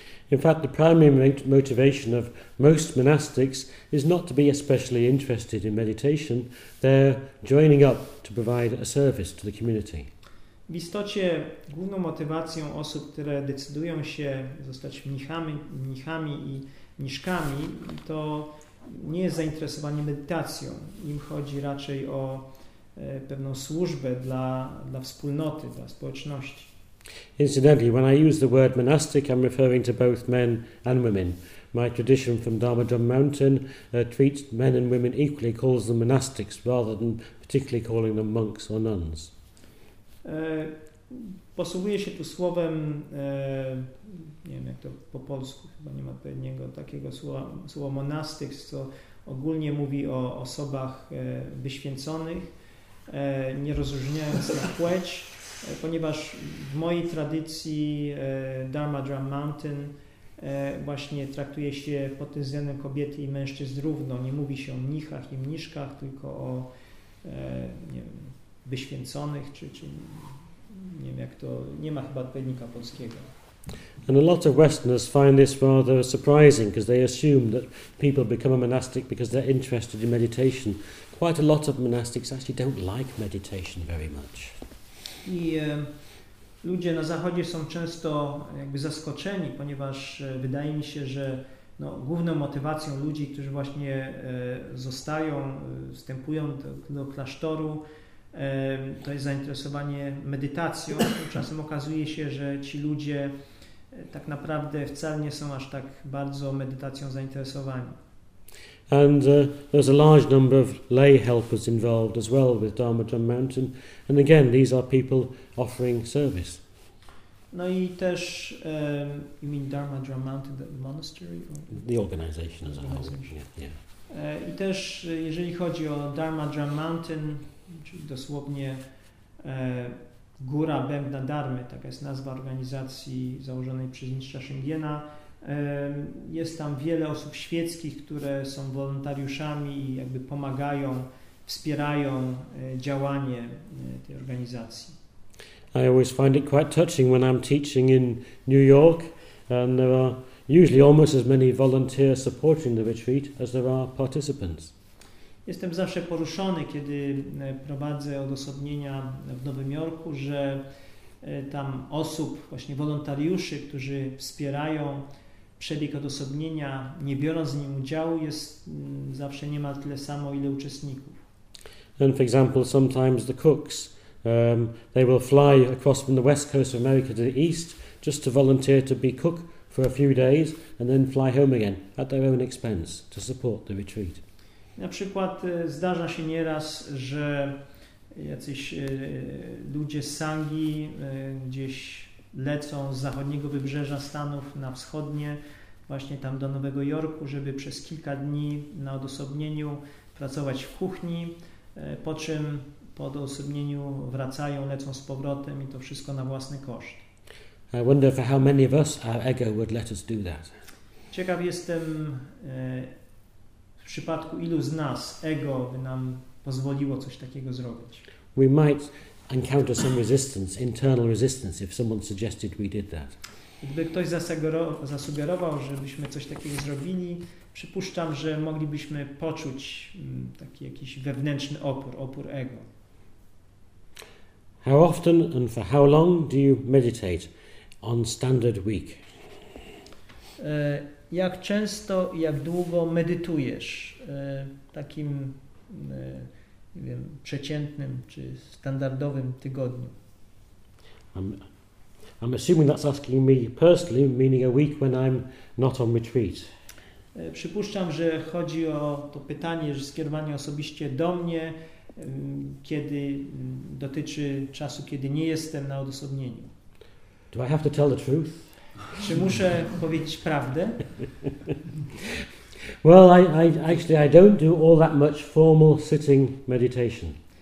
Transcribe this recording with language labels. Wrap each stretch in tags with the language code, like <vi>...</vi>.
<en>In fact, the primary motivation of most monastics is not to be especially interested in meditation. They're joining up to provide a service to the community.</en> <pl>W istocie główną motywacją osób, które decydują się zostać mnichami i mniszkami, to nie jest zainteresowanie medytacją. Im chodzi raczej o pewną służbę dla wspólnoty, dla społeczności.</pl> <en>Incidentally, when I use the word monastic, I'm referring to both men and women. My tradition from Dharma Drum Mountain treats men and women equally, calls them monastics, rather than particularly calling them monks or nuns.</en> <pl>Posługuję się tu słowem, nie wiem jak to po polsku, chyba nie ma odpowiedniego takiego słowa monastics, co ogólnie mówi o osobach wyświęconych, nie rozróżniając na płeć, ponieważ w mojej tradycji Dharma Drum Mountain właśnie traktuje się pod tym względem kobiety i mężczyzn równo. Nie mówi się o mnichach i mniszkach, tylko o wyświęconych, czy nie wiem jak to, nie ma chyba odpowiednika polskiego.</pl> <en>And a lot of Westerners find this rather surprising because they assume that people become a monastic because they're interested in meditation. Quite a lot of monastics actually don't like meditation very much.</en> <pl>I ludzie na zachodzie są często jakby zaskoczeni, ponieważ wydaje mi się, że no, główną motywacją ludzi, którzy właśnie zostają, wstępują do klasztoru, to jest zainteresowanie medytacją. Czasem okazuje się, że ci ludzie tak naprawdę wcale nie są aż tak bardzo medytacją zainteresowani.</pl> <en>And there's a large number of lay helpers involved as well with Dharma Drum Mountain. And again, these are people offering service.</en> <pl>No i też,</pl> <en>you mean Dharma Drum Mountain, the monastery? The organization as a whole, yeah.</en> <pl>I też, jeżeli chodzi o Dharma Drum Mountain, czyli dosłownie Góra Bębna Dharmy, taka jest nazwa organizacji założonej przez mistrza Shingena, jest tam wiele osób świeckich, które są wolontariuszami i jakby pomagają, wspierają działanie tej organizacji.</pl> <en>I always find it quite touching when I'm teaching in New York and there are usually almost as many volunteers supporting the retreat as there are participants.</en> <pl>Jestem zawsze poruszony, kiedy prowadzę odosobnienia w Nowym Jorku, że tam osób, właśnie wolontariuszy, którzy wspierają przebieg odosobnienia, nie biorąc w nim udziału, jest zawsze niemal tyle samo, ile uczestników.</pl> <en>And for example, sometimes the cooks, they will fly across from the west coast of America to the east just to volunteer to be cook for a few days and then fly home again at their own expense to support the retreat.</en> <pl>Na przykład zdarza się nieraz, że jacyś ludzie z Sangi gdzieś lecą z zachodniego wybrzeża Stanów na wschodnie, właśnie tam do Nowego Jorku, żeby przez kilka dni na odosobnieniu pracować w kuchni, po czym po odosobnieniu wracają, lecą z powrotem i to wszystko na własny koszt.</pl> <en>I wonder for how many of us our ego would let us do that.</en> <pl>Ciekaw jestem, w przypadku ilu z nas ego by nam pozwoliło coś takiego zrobić.</pl> <en>We might encounter some resistance, internal resistance, if someone suggested we did that.</en> <pl>Gdyby ktoś zasugerował, żebyśmy coś takiego zrobili, przypuszczam, że moglibyśmy poczuć taki jakiś wewnętrzny opór ego.</pl> <en>How often and for how long do you meditate on standard week?</en> <pl>Jak często i jak długo medytujesz takim, nie wiem, przeciętnym czy standardowym tygodniu?</pl> <en>I'm assuming that's asking me personally, meaning a week when I'm not on retreat.</en> <pl>Przypuszczam, że chodzi o to pytanie, że skierowanie osobiście do mnie, kiedy dotyczy czasu, kiedy nie jestem na odosobnieniu.</pl> <en>Do I have to tell the truth?</en> <pl>Czy muszę powiedzieć prawdę?</pl> <en>Well, I don't do all that much formal sitting meditation.</en>